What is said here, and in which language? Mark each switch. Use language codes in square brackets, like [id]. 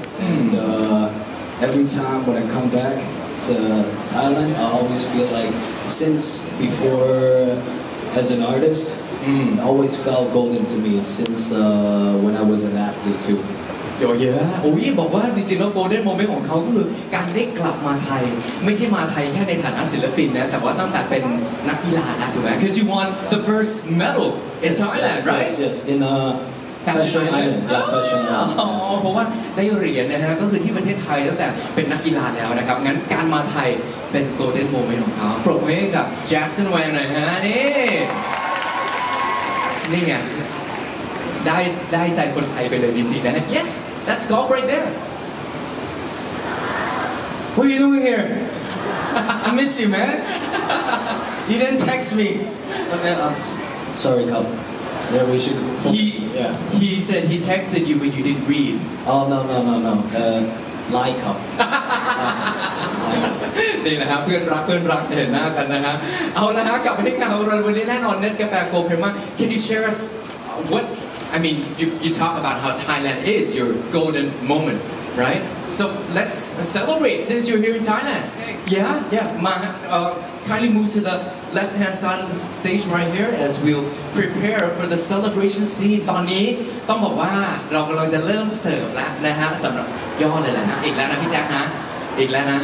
[en] And every time when I come back to Thailand, I always feel like since before as an artist, always felt golden to me since when I was an athlete too. [th] เยอะแยะโอ้ยบอกว่าจริงๆแล้วโกลเด้นโมเมนต์ของเขาคือการได้กลับมาไทยไม่ใช่มาไทยแค่ในฐานะศิลปินนะแต่ว่าตั้งแต่เป็นนักกีฬาแล้วถูกไหม [en] Cause you won the first medal in Thailand right Yes in a fashion island yeah fashion island [th] เพราะว่าได้เหรียญนะฮะก็คือที่ประเทศไทยตั้งแต่เป็นนักกีฬาแล้วนะครับงั้นการมาไทยเป็นโกลเด้นโมเมนต์ของเขาปรบมือกับ Jackson Wang หน่อยฮะนี่ไงได้ใจคนไทยไปเลยจริงๆนะฮะ [en] Yes that's golf right there What are you doing here I miss you man You didn't text me Sorry Cub Yeah we should He said he texted you but you didn't read Oh no Lie Cub [th] นี่แหละครับเพื่อนรักเห็นหน้ากันนะฮะเอาละฮะกลับมาที่งานของเราวันนี้แน่นอน Nescafe Gold Crema [en] Can you share us whatI mean, you talk about how Thailand is your golden moment, right? So let's celebrate since you're here in Thailand. Okay. Yeah? Yeah. Kindly move to the left-hand side of the stage right here as we'll prepare for the celebration scene. [th] ตอนนี้ต้องบอกว่าเรากำลังจะเริ่มเสิร์ฟแล้วนะฮะสำหรับยอดเลยแหละฮะอีกแล้วนะพี่แจ๊คนะอีกแล้วนะ